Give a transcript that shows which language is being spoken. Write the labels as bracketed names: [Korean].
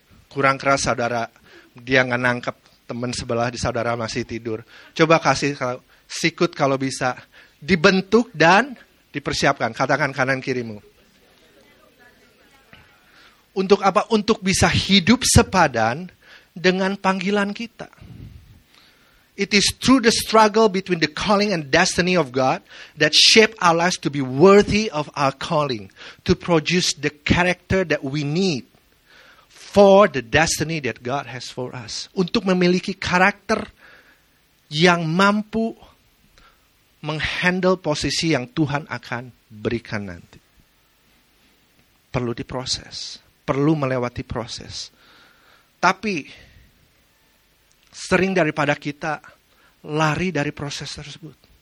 [Indonesian] Kurang keras saudara, dia gak nangkep teman sebelah di saudara masih tidur. Coba kasih sikut kalau bisa. Dibentuk dan dipersiapkan. Katakan kanan kirimu. Untuk apa? Untuk bisa hidup sepadan dengan panggilan kita. [English] It is through the struggle between the calling and destiny of God that shape our lives to be worthy of our calling, to produce the character that we need for the destiny that God has for us. [Indonesian] Untuk memiliki karakter yang mampu menghandle posisi yang Tuhan akan berikan nanti. perlu diproses, perlu melewati proses. Tapi sering daripada kita lari dari proses tersebut.